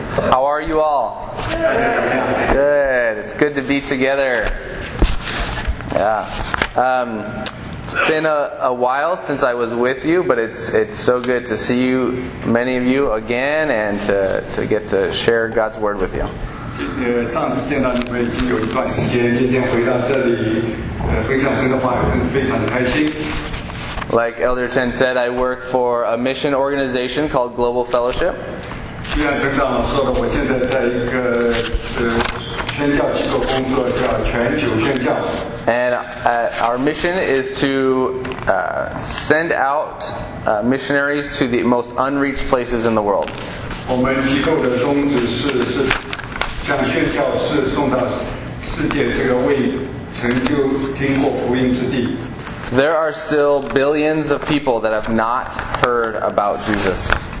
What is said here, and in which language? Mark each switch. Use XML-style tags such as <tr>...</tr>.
<en>How are you all? Good. It's good to be together. Yeah. It's been a while since I was with you, but it's so good to see you, many of you, again, and to get to share God's word with you.</en> <zh>上次见到你们已经有一段时间，今天回到这里，分享神的话，真的非常的开心。</zh> <en>Like Elder Chen said, I work for a mission organization called Global Fellowship.</en> <zh>就像陈长老说的，我现在在一个宣教机构工作，叫全球宣教。</zh> <en>And our mission is to send out missionaries to the most unreached places in the world.</en> <zh>我们机构的宗旨是将宣教士送到世界这个未曾就听过福音之地。</zh> <en>There are still billions of people that have not heard about Jesus.</en>